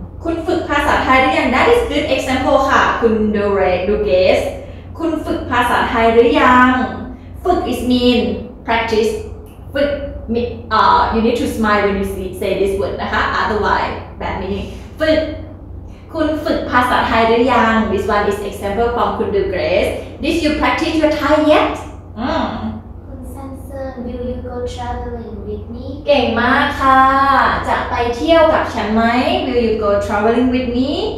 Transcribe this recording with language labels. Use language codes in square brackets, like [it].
[th] คุณฝึกภาษาไทยหรือยัง [en] That is good example [th] ค่ะคุณ [en] Dougas [th] คุณฝึกภาษาไทยหรือยังฝึก [en] is mean practice ฝึก you need to smile when you say this word [th] นะคะ [en] otherwise [th] แบบนี้ฝึกคุณฝึกภาษาไทยหรือยัง [en] This one is example from คุณ De Grace Did you practice your Thai yet? คุณ Samson Will you go traveling with me? [th] เก่งมากค่ะจะไปเที่ยวกับฉันไหม [en] Will you go traveling with me?